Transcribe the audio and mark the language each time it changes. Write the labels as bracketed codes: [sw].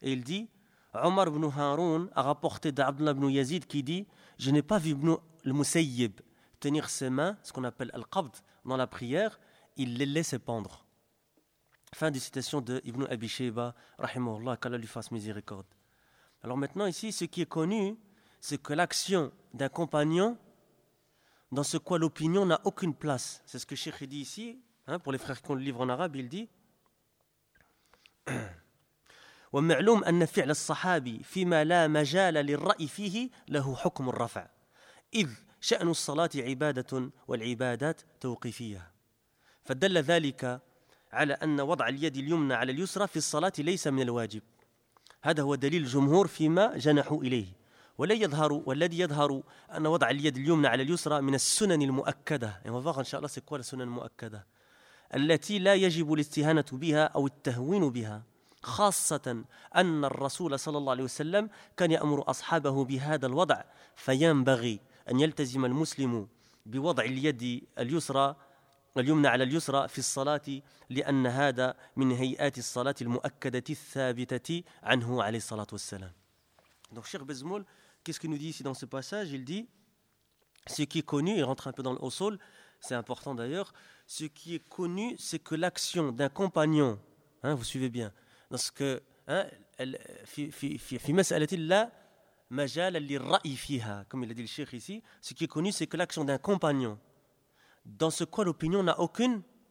[fr] Et il dit « Omar ibn Haroun a rapporté d'Abdullah ibn Yazid qui dit « Je n'ai pas vu ibn al-Musayyib tenir ses mains, ce qu'on appelle al-qabd, dans la prière, il les laissait pendre. » Fin de citation de ibn Abi Shayba, rahimahullah, qu'Allah lui fasse miséricorde. Alors maintenant ici, ce qui est connu, c'est que l'action d'un compagnon, dans ce quoi l'opinion n'a aucune place. C'est ce que Cheikh dit ici, pour les frères qui ont le livre en arabe, il dit [ar] « وَمَعْلُومْ أَنَّ فِعْلَ الصَّحَابِ فِي مَا لَا مَجَالَ لِلْرَأِي فِيهِ لَهُ حُكْمُ الرَّفْعَ إِذْ شَأْنُ الصَّلَاةِ عِبَادَةٌ وَالْعِبَادَاتِ تَوْقِفِيَهَا فَدَلَّ ذَلِكَ عَلَى أَنَّ وَضْعَ الْيَدِ الْيُمْنَى عَلَى الْيُسْرَى فِي الصَّلَاةِ لَيْسَ مِنَ الْوَاجِبِ هذا هو دليل الجمهور فيما جنحوا إليه ولا يظهر والذي يظهر أن وضع اليد اليمنى على اليسرى من السنن المؤكدة إن شاء الله سيكون السنن المؤكدة التي لا يجب الاستهانة بها أو التهوين بها خاصة أن الرسول صلى الله عليه وسلم كان يأمر أصحابه بهذا الوضع فينبغي أن يلتزم المسلم بوضع اليد اليسرى اليمنى على اليسرى في الصلاة لأن هذا من هيئات الصلاة المؤكدة الثابتة عنه عليه الصلاة والسلام. [fr] Donc Cheikh Bazmoul, qu'est-ce qu'il nous dit ici dans ce passage? Il dit, ce qui est connu, il rentre un peu dans le usul, c'est important d'ailleurs, ce qui est connu, c'est que l'action d'un compagnon, vous suivez bien, dans ce que, [ar] في مسألة لا مجال للرأي فيها, [fr] comme il a dit le Cheikh ici, ce qui est connu, c'est que l'action d'un compagnon, dans ce quoi l'opinion n'a aucune